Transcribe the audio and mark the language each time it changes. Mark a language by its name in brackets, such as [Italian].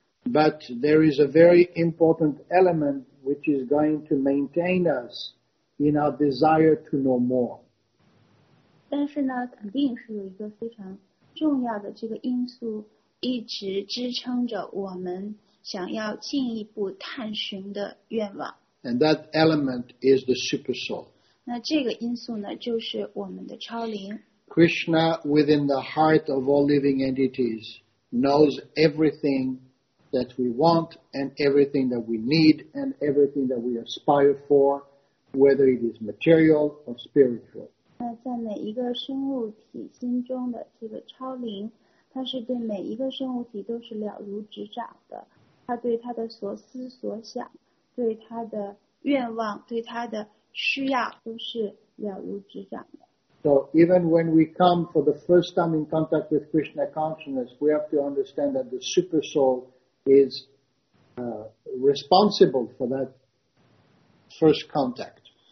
[English] But there is a very important element which is going to maintain us in our desire to know more. [Chinese] 但是呢，肯定是有一个非常重要的这个因素，一直支撑着我们想要进一步探寻的愿望。 [English] And that element is the super soul. [Chinese] 那这个因素呢，就是我们的超灵。Krishna [English] within the heart of all living entities knows everything that we want and everything that we need and everything that we aspire for, whether it is material or spiritual. [Chinese] 那在每一个生物体心中的这个超灵, 它是对每一个生物体都是了如指掌的, 它对它的所思所想, 对它的愿望, 对它的需要都是了如指掌的。 [English] So even when we come for the first time in contact with Krishna consciousness, we have to understand that the super soul is responsible for that first contact.